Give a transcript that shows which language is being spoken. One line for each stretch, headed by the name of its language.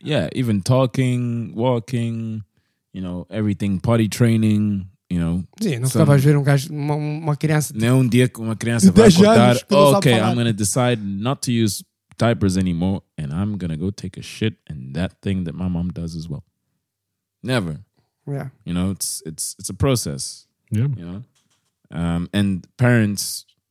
English: Yeah, even talking, walking, you know, everything, potty training, you know.
Portuguese: Sim, não estava a ver um gajo, uma criança... Nem um dia que uma criança vai acordar,
English: okay, I'm going to decide not to use diapers anymore and I'm going to go take a shit and that thing that my mom does as well. Never. Yeah. You know, it's a process. Yeah. You know? And parents...